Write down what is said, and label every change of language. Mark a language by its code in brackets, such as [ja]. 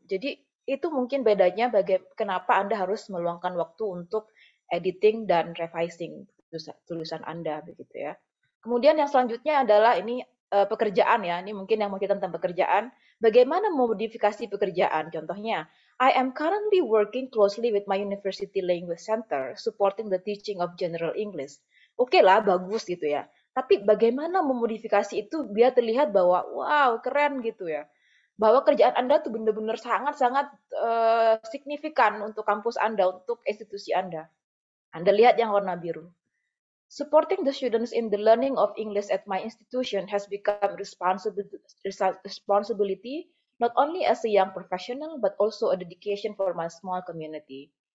[id] Jadi itu mungkin bedanya kenapa Anda harus meluangkan waktu untuk editing dan revising tulisan Anda begitu ya. Kemudian yang selanjutnya adalah ini pekerjaan ya. Ini mungkin yang mau kita tentang pekerjaan. Bagaimana memodifikasi pekerjaan? [en] Contohnya, I am currently working closely with my university language center supporting the teaching of general English. [id] Oke lah, bagus gitu ya. Tapi bagaimana memodifikasi itu biar terlihat bahwa wow, keren gitu ya. Bahwa kerjaan Anda tuh benar-benar sangat-sangat signifikan untuk kampus Anda, untuk institusi Anda. Anda lihat yang warna biru. [en] Supporting the students in the learning of English at my institution has become responsibility not only as a young professional but also a dedication for my small community.